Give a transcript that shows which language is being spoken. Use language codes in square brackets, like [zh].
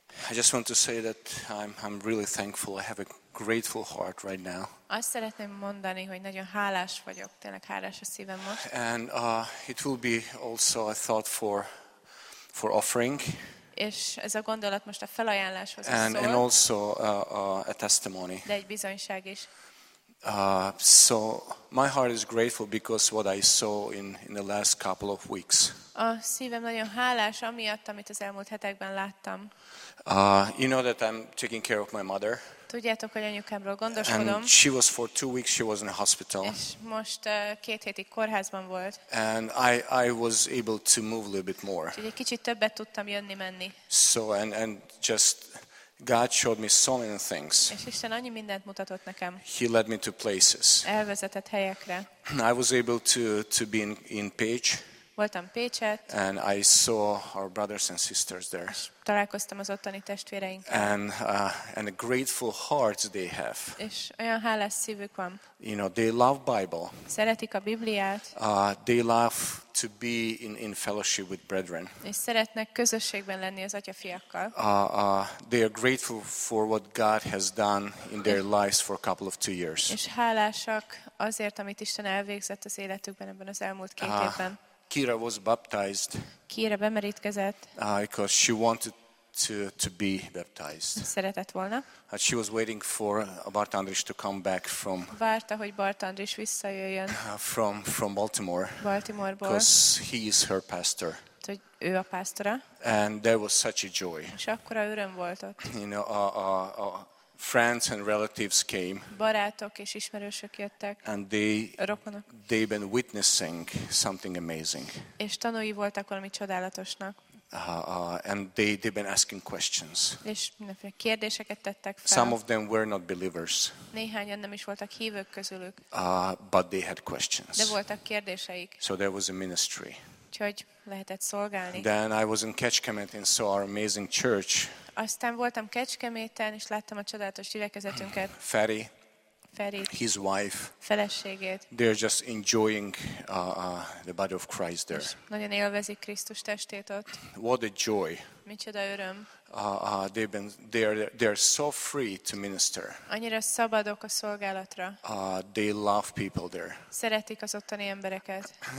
[en] I just want to say that I'm really thankful. I have a grateful heart right now. [hu] Azt szeretném mondani, hogy nagyon hálás vagyok, tényleg hálás a szívem most. [en] And it will be also a thought for offering. [hu] És ez a gondolat most a felajánláshoz szól. [en] And also a testimony. [hu] De egy bizonyság is. [en] So my heart is grateful because what I saw in the last couple of weeks. [hu] A szívem nagyon hálás amiatt, amit az elmúlt hetekben láttam. [en] You know that I'm taking care of my mother. [hu] Tudjátok, hogy anyukámról gondoskodom. [en] And she was for 2 weeks she was in a hospital. [hu] És most 2 hétig kórházban volt. [en] And I was able to move a little bit more. [hu] Egy kicsit többet tudtam jönni menni. [en] So and just God showed me so many things. [hu] És Isten annyi mindent mutatott nekem. [en] He led me to places. [hu] Elvezetett helyekre. [en] I was able to be in Pécs. [hu] Voltam Pécset. [en] And I saw our brothers and sisters there. [hu] Találkoztam az ottani testvéreinkkel. [en] And a grateful hearts they have. [hu] És olyan hálás szívük van. [en] You know, they love Bible. [hu] Szeretik a Bibliát. [en] They love to be in fellowship with brethren. [hu] És szeretnek közösségben lenni az atyafiakkal. [en] They are grateful for what God has done in their lives for a couple of 2 years. [hu] És hálásak azért, amit Isten elvégzett az életükben ebben az elmúlt 2 évben. [en] Kira was baptized. [hu] Kira bemerítkezett. [en] Because she wanted to be baptized. [hu] Szeretett volna. [en] And she was waiting for Bart Andris to come back from. [hu] Várta, hogy Bart Andris visszajöjjön. [en] From Baltimore. [hu] Baltimore-ból. [en] Because he is her pastor. [hu] Hogy ő a pásztora. [en] And there was such a joy. [hu] És akkora öröm volt ott. [en] You know, friends and relatives came. [hu] Barátok és ismerősök jöttek. [en] And they've been witnessing something amazing. [hu] És tanúi voltak valami csodálatosnak. [en] And they've been asking questions. [hu] És mindenféle kérdéseket tettek fel. [en] Some of them were not believers. [hu] Néhányan nem is voltak hívők közülük. [en] But they had questions. [hu] De voltak kérdéseik. [en] So there was a ministry. [hu] Úgyhogy lehetett szolgálni. [en] Then I was in Kecskemét and saw our amazing church. [hu] Aztán voltam Kecskeméten, és láttam a csodálatos gyülekezetünket. [en] Feri. His wife. [hu] Feleségét. [en] They're just enjoying the body of Christ there. [hu] Nagyon élvezik Krisztus testét ott. [en] What a joy. [hu] Micsoda öröm. [en] They're so free to minister. [hu] Annyira szabadok a szolgálatra. [en] They love people there. [hu] Szeretik az ottani embereket.